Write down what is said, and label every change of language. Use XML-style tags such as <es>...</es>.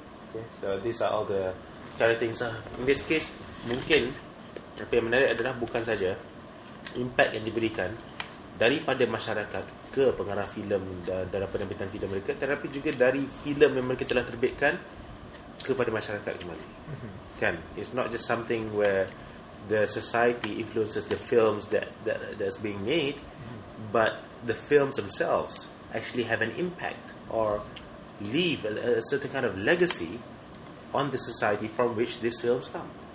<en>Okay. So these are all the kind of things. In this case,</en> <ms>mungkin tapi yang menarik adalah bukan saja impact yang diberikan daripada masyarakat ke pengarah filem dan penerbitan filem mereka, tetapi juga dari filem yang mereka telah terbitkan kepada masyarakat kembali.</ms> <en>Kan, it's not just something where the society influences the films that's being made, but the films themselves actually have an impact or leave a certain kind of legacy on the society from which these films come.</en>